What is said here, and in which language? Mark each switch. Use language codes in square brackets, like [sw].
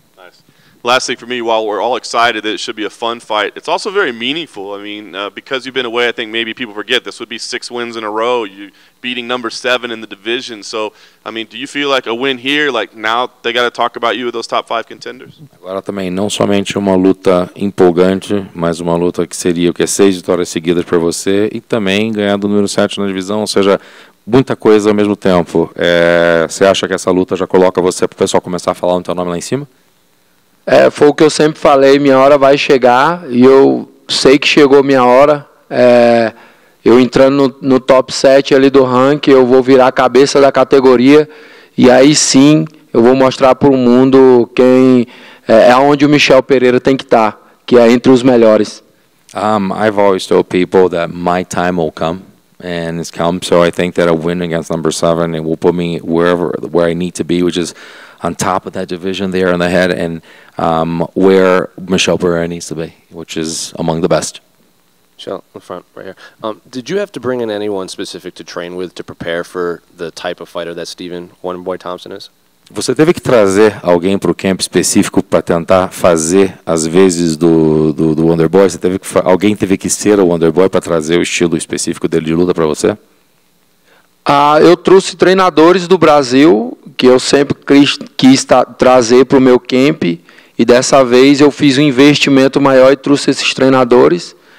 [en] Nice. Last thing for me, while we're all excited that it should be a fun fight, it's also very meaningful. I mean, because you've been away, I think maybe people forget this would be 6 wins in a row. You beating number 7 in the division. So, I mean, do you feel like a win here, like now they got to talk about you with those top 5 contenders? [pt] Agora também, não somente uma luta empolgante, mas uma luta que seria o que é 6 vitórias seguidas para você e também ganhando o número 7 na divisão, ou seja, muita coisa ao mesmo tempo. Você acha que essa luta já coloca você para o pessoal começar a falar o teu nome lá em cima? Foi o que eu sempre falei, minha hora vai chegar e eu sei que chegou minha hora. Eu entrando no top 7 ali do ranking, eu vou virar a cabeça da categoria e aí sim eu vou mostrar para o mundo quem é onde o Michel Pereira tem que estar, que é entre os melhores. [en] I've always told people that my time will come and it's come, so I think that a win against number 7 it will put me where I need to be, which is on top of that division there in the head and where Michel Pereira needs to be, which is among the best. Michel, in front, right here. Did you have to bring in anyone specific to train with to prepare for the type of fighter that Steven Wonderboy Thompson is? [pt] Você teve que trazer alguém para o camp específico para tentar fazer as vezes do Wonderboy? Alguém teve que ser o Wonderboy para trazer o estilo específico dele de luta para você? Eu trouxe treinadores do Brasil que eu sempre quis trazer para o meu camp e dessa vez eu fiz um investimento maior e trouxe esses treinadores.